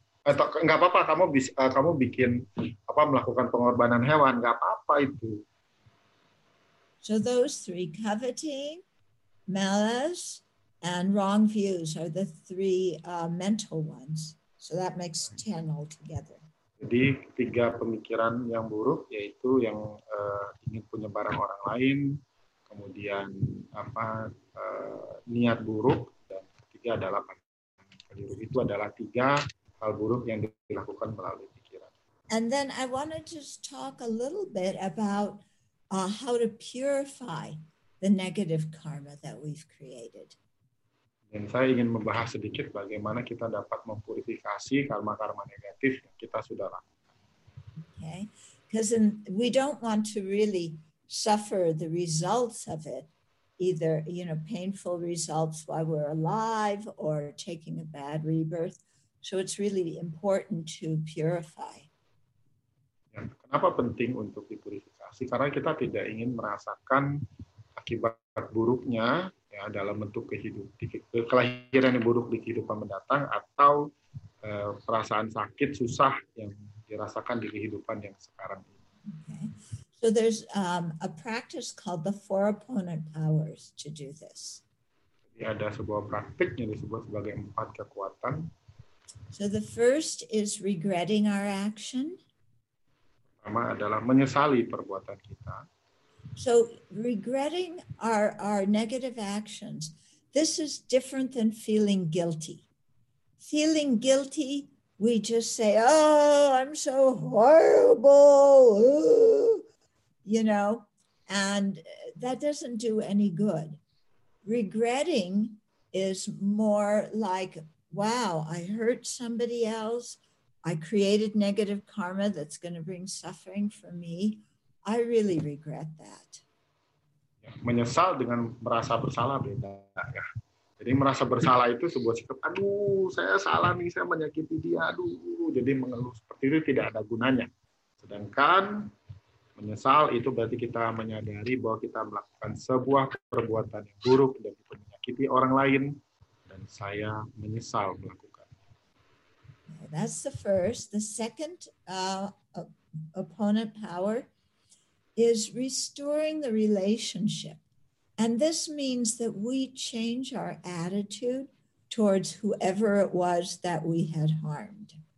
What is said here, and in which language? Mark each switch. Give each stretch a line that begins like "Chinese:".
Indonesian: Atau nggak apa-apa kamu bisa kamu bikin apa melakukan pengorbanan hewan? Nggak apa-apa itu.
English: So those three: coveting, malice and wrong views are the three mental ones. So that makes 10 altogether.
Indonesian: Jadi tiga pemikiran yang buruk yaitu yang ingin punya barang orang lain, kemudian apa niat buruk dan ketiga adalah keliru. Itu adalah tiga hal buruk yang dilakukan melalui pikiran.
English: And then I want to just talk a little bit about how to purify the negative karma that we've created.
Indonesian: Dan saya ingin membahas sedikit bagaimana kita dapat mempurifikasi karma-karma negatif yang kita sudah lakukan.
English: Okay, because we don't want to really suffer the results of it, either, you know, painful results while we're alive or taking a bad rebirth. So it's really important to purify.
Indonesian: Ya, kenapa penting untuk dipurifikasi? Karena kita tidak ingin merasakan akibat buruknya ya, dalam bentuk kehidupan, kelahiran yang buruk di kehidupan mendatang atau perasaan sakit, susah yang dirasakan di kehidupan yang sekarang ini.
English: Okay. So there's a practice called the four opponent powers to do this.
Indonesian: Jadi ada sebuah praktik yang disebut sebagai empat kekuatan.
English: So the first is regretting our action.
Indonesian: Pertama adalah menyesali perbuatan kita.
English: So regretting our negative actions, this is different than feeling guilty. Feeling guilty, we just say, oh, I'm so horrible, you know, and that doesn't do any good. Regretting is more like, wow, I hurt somebody else. I created negative karma that's going to bring suffering for me. I really regret that.
Indonesian: Menyesal dengan merasa bersalah beda ya. Jadi merasa bersalah itu sebuah sikap, aduh, saya salah nih, saya menyakiti dia, aduh. Jadi mengeluh seperti itu tidak ada gunanya. Sedangkan menyesal itu berarti kita menyadari bahwa kita melakukan sebuah perbuatan yang buruk dan menyakiti orang lain dan saya menyesal melakukan.
English: That's the first. The second opponent power is restoring the relationship. And this means that we change our attitude towards whoever it was that we had harmed.